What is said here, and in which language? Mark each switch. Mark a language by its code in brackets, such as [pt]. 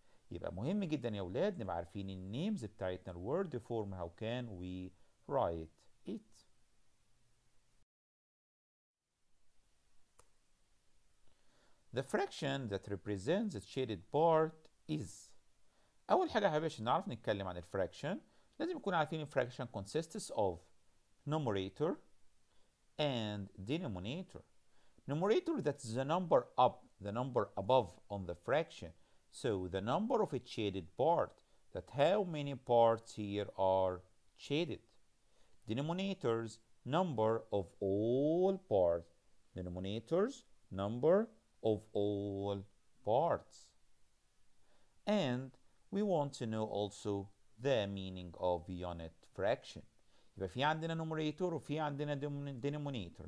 [ar] يبقى مهم جدا يا أولاد نبقى عارفين النيمز بتاعتنا الورد فورم. [en] How can we write it? The fraction that represents its shaded part is. أول حاجة حبيبي عشان نعرف نتكلم عن الفراكشن لازم يكون عارفين الفراكشن consists of numerator and denominator. Numerator that's the number up, the number above on the fraction. So the number of its shaded part, that how many parts here are shaded. Denominators, number of all parts. Denominators, number of all parts. And we want to know also the meaning of unit fraction. [ar] يبقى في عندنا numerator وفي عندنا denominator.